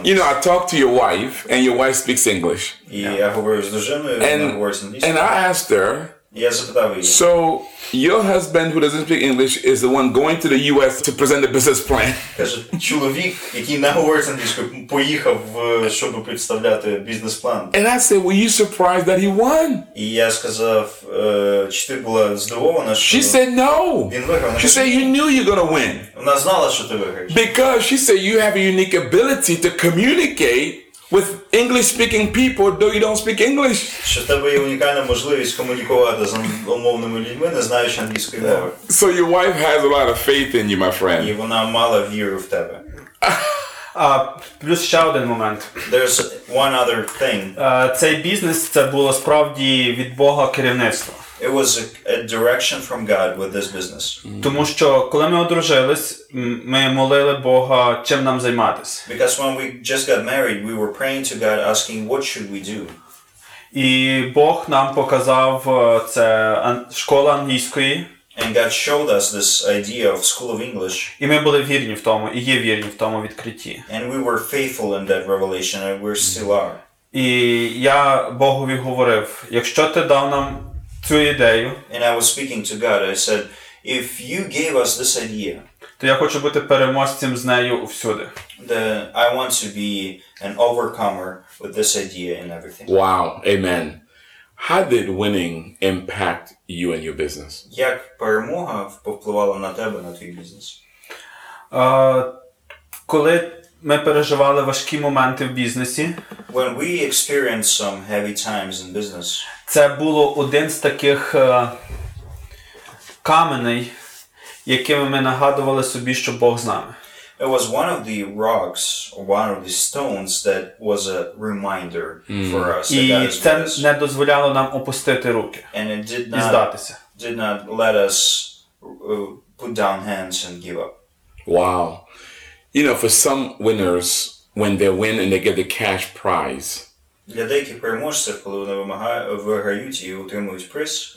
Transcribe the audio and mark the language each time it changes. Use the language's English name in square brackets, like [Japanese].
[English] You know, I talked to your wife, and your wife speaks English. [Ukrainian] Я говорив з жіною, вона говорить англійською. [English] And I asked her. [Ukrainian] Я запитав її. [English] So your husband, who doesn't speak English, is the one going to the U.S. to present the business plan? [Ukrainian] Каже, чоловік, який не говорить англійською, поїхав, щоб представляти бізнес план. [English] And I said, were you surprised that he won? [Ukrainian] І я сказав, чи ти була здивована, що... [English] She said, no. [Ukrainian] Він виграв. [English] She said, you knew you're going to win. [Ukrainian] Вона знала, що ти виграєш. [English] Because, she said, you have a unique ability to communicate with English speaking people, though you don't speak English. [Ukrainian] Що тебе є унікальна можливість комунікувати з англомовними людьми, не знаючи англійської мови. [English] So your wife has a lot of faith in you, my friend. [Ukrainian] І вона мала віру в тебе. Плюс ще один момент. [English] There's one other thing. [Ukrainian] Цей бізнес, це було справді від Бога керівництво. [English] It was a direction from God with this business. [Ukrainian] Тому що коли ми одружились, ми молили Бога, чим нам займатись. [English] Because when we just got married, we were praying to God asking what should we do. [Ukrainian] І Бог нам показав це школа англійської. [English] And God showed us this idea of school of English. [Ukrainian] І ми були вірні в тому, і є вірні в тому відкритті. [English] And we were faithful in that revelation and we still are. [Ukrainian] І я Богові говорив, якщо ти дав нам цю ідею. [English] And I was speaking to God. I said, if you gave us this idea, [Ukrainian] то я хочу бути переможцем з нею всюди. [English] Then I want to be an overcomer with this idea and everything. Wow. Amen. How did winning impact you and your business? [Ukrainian] Як перемога впливала на тебе, на твій бізнес? Коли ми переживали важкі моменти в бізнесі, [English] when we experienced some heavy times in business, [Ukrainian] це було один з таких каменей, якими ми нагадували собі, що Бог з нами. [English] It was one of the rocks, one of the stones that was a reminder for us. [Ukrainian] І це не дозволяло нам опустити руки. [English] And it did not let us put down hands and give up. Wow. You know, for some winners, when they win and they get the cash prize. [Ukrainian] Для деяких переможців, коли вони виграють і отримують приз.